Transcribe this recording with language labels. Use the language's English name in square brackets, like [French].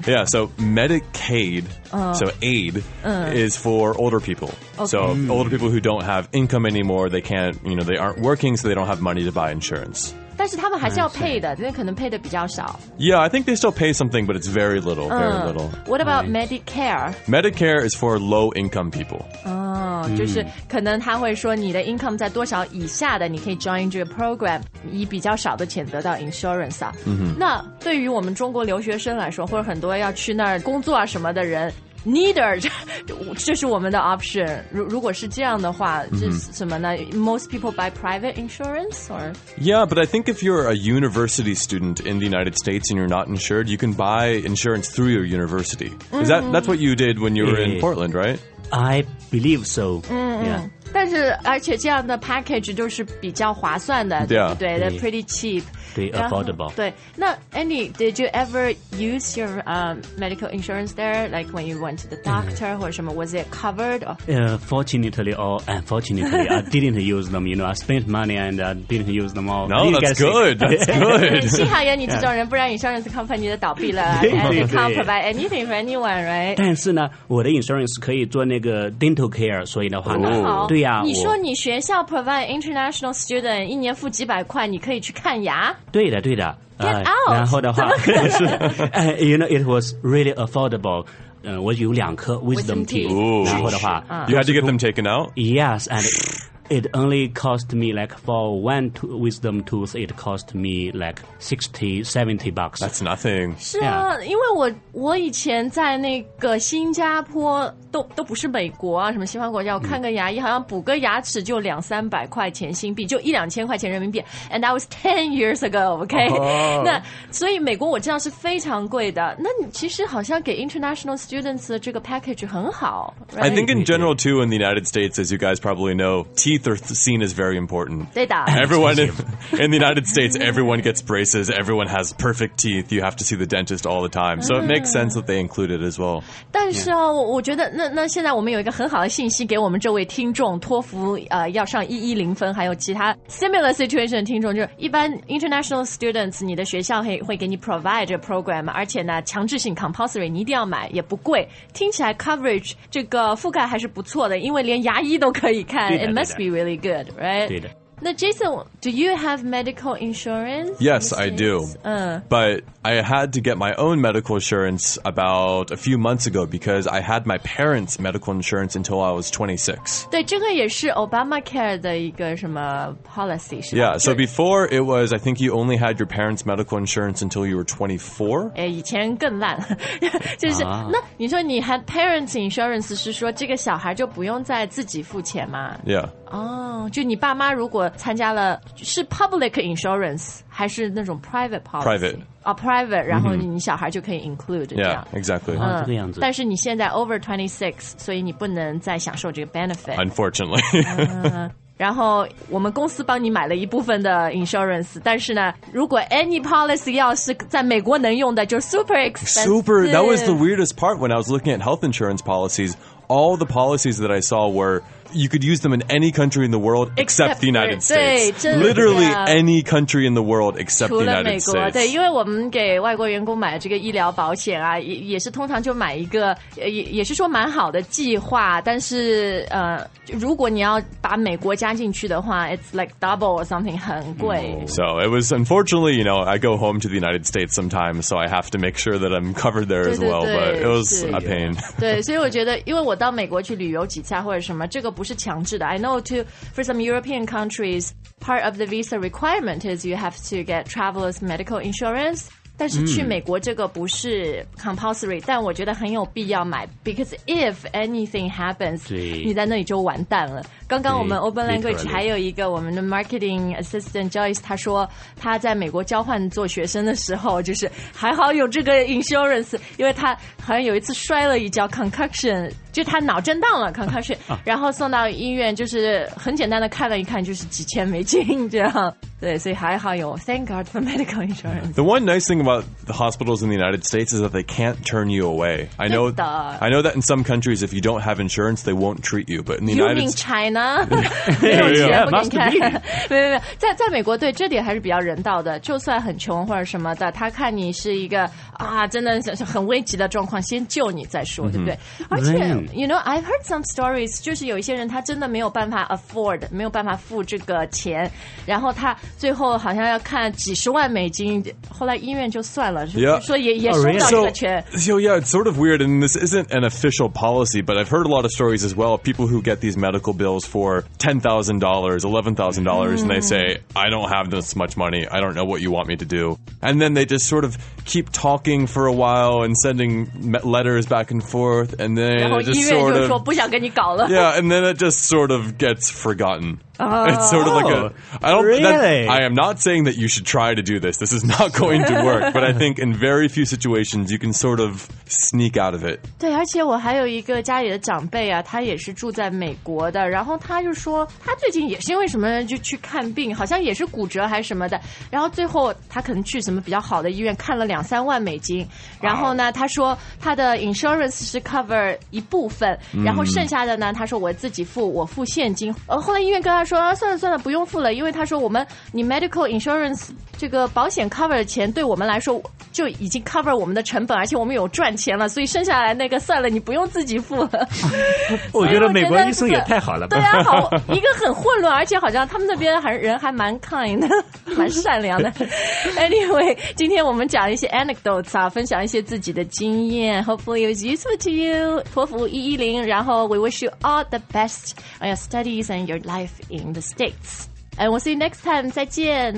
[English] Yeah, so Medicaid、so aid、is for older people、 okay. So older people who don't have income anymore, they can't, you know, they aren't working, so they don't have money to buy insurance. [Chinese] 但是他们还是要配的，因为可能配的比较少。 [English] Yeah, I think they still pay something, but it's very little, very little. What about Medicare? Medicare is for low-income people. [Chinese] 就是可能他会说你的 income 在多少以下的，你可以 join 这个 program, 以比较少的钱得到 insurance 啊。 Mm-hmm. 那对于我们中国留学生来说，或者很多要去那儿工作啊什么的人。 Neither, 这是我们的 option. 如果是这样的话，是什么呢？ [English] Most people buy private insurance? Or? Yeah, but I think if you're a university student in the United States and you're not insured, you can buy insurance through your university. Is that, that's what you did when you were in Portland, right? I believe so, yeah. [Chinese] 但是而且这样的 package 都是比较划算的、 [English] yeah. [Chinese] 对不对 [English] They're pretty cheap 对 affordable 对那 Andy did you ever use your、medical insurance there like when you went to the doctor、mm. or 什么 was it covered or? Fortunately or unfortunately I didn't use them you know I spent money and I didn't use them all No that's good that's good [Chinese] 幸好有你这种人不然 insurance company 就倒闭了 [English] and you can't provide anything for anyone right [Chinese] 但是呢我的 insurance 可以做那个 dental care 所以的话呢、 oh. 对呀、啊，你说你学校 provide international student 一年付几百块，你可以去看牙。对的，对的。 [English] Get out！ [Chinese] 然后的话，是 [English] ，you know it was really affordable。 [Chinese] 我有两颗 [English] wisdom teeth。 Ooh. [Chinese] 然后的话 [English] ，you had to get them taken out。 Yes, and it only cost me like for one wisdom tooth, it cost me like $60-$70. That's nothing. [Chinese] 是啊， yeah. 因为我以前在那个新加坡。都不是美国啊什么西方国家我看个牙医、嗯、好像补个牙齿就两三百块钱新币就一两千块钱人民币 [English] and that was 10 years ago OK、 [Chinese] 哦、那所以美国我知道是非常贵的那你其实好像给 international students 的这个 package 很好、right? [English] I think in general too in the United States as you guys probably know teeth are seen as very important [Chinese] 对的 [English] everyone in the United States everyone gets braces everyone has perfect teeth you have to see the dentist all the time so it makes sense that they include it as well [Chinese] 但是、哦 yeah. 我觉得那现在我们有一个很好的信息给我们这位听众托福要上110分还有其他 similar situation 的听众就是一般 international students 你的学校会给你 provide 这个 program 而且呢强制性 compulsory 你一定要买也不贵听起来 coverage 这个覆盖还是不错的因为连牙医都可以看 [English] it must be really good right [Chinese] 对的 [English] 那 Jason, do you have medical insurance? Yes, I do. But I had to get my own medical insurance about a few months ago because I had my parents' medical insurance until I was 26. [Chinese] 对这个也是 Obamacare 的一个什么 policy, 是吧 [English] Yeah, so before it was, I think you only had your parents' medical insurance until you were 24. [Chinese] 哎，以前更烂。就是、那你说你 [English] had parents' insurance [Chinese] 是说这个小孩就不用再自己付钱吗 [English] Yeah. [Chinese] 就你爸妈如果参加了是 public insurance 还是那种 private policy [English] private、 [Chinese] oh, private 然后你小孩就可以 include、 [English] mm-hmm. yeah exactly、 [Chinese] 这个样子但是你现在 over 26所以你不能再享受这个 benefit [English] unfortunately [Chinese] 然后我们公司帮你买了一部分的 insurance 但是呢如果 any policy 要是在美国能用的就 [English] super expensive super that was the weirdest part when I was looking at health insurance policies all the policies that I saw wereYou could use them in any country in the world except the United States. Literally any country in the world except the United States. [Chinese] 除了美国，对，因为我们给外国员工买这个医疗保险啊，也是通常就买一个，也是说蛮好的计划。但是如果你要把美国加进去的话 ， [English] it's like double or something [Chinese] 很贵。 [English] So it was unfortunately, you know, I go home to the United States sometimes, so I have to make sure that I'm covered there as well. But it was a pain. [Chinese] 对，所以我觉得，因为我到美国去旅游几次或者什么，这个不是强制的 [English] I know too for some European countries part of the visa requirement is you have to get traveler's medical insurance [Chinese] 但是去美国这个不是 [English] compulsory [Chinese] 但我觉得很有必要买 [English] because if anything happens [Chinese] 你在那里就完蛋了刚刚我们 Open Language 还有一个我们的 Marketing Assistant Joyce 他说他在美国交换做学生的时候就是还好有这个 insurance 因为他好像有一次摔了一跤 concussion 就他脑震荡了 concussion 然后送到医院就是很简单的看了一看就是几千美金这样对，所以还好有 [English] Thank God for medical insurance. The one nice thing about the hospitals in the United States is that they can't turn you away. I know that in some countries, if you don't have insurance, they won't treat you. But in the United [Chinese] States, China, 没有钱不能看。没有，在美国，对这点还是比较人道的。就算很穷或者什么的，他看你是一个啊，真的很危急的状况，先救你再说，对不对？而且 ， [English] you know, I've heard some stories， [Chinese] 就是有一些人他真的没有办法 afford， 没有办法付这个钱，然后他。最后好像要看几十万美金，后来医院就算了，就说也收不到这个钱。 [English] So yeah, it's sort of weird, and this isn't an official policy, but I've heard a lot of stories as well. People who get these medical bills for $10,000, $11,000, and they say, "I don't have this much money. I don't know what you want me to do." And then they just sort of keep talking for a while and sending letters back and forth, and then it just sort of [Chinese] 不想跟你搞了。 [English] Yeah, and then it just sort of gets forgotten. It's sort of like a. I am not saying that you should try to do this. This is not going to work. But I think in very few situations, you can sort of sneak out of it. [Chinese] 对，而且我还有一个家里的长辈啊，他也是住在美国的。然后他就说，他最近也是因为什么就去看病，好像也是骨折还是什么的。然后最后他可能去什么比较好的医院看了两三万美金。然后呢，他说他的 insurance 是 cover 一部分，然后剩下的呢，他说我自己付，我付现金。后来医院跟他说、啊、算了不用付了，因为他说我们你 medical insurance 这个保险 cover 的钱对我们来说就已经 cover 我们的成本，而且我们有赚钱了，所以剩下来那个算了，你不用自己付了。我觉得美国医生也太好了吧。对啊，好，一个很混乱，而且好像他们那边还人还蛮 kind 的，蛮善良的。 Anyway， 今天我们讲一些 anecdotes 啊，分享一些自己的经验， [English] hopefully it was useful to you。托福110，然后 we wish you all the best on your studies and your lifein the States. And we'll see you next time. [Chinese] 再见。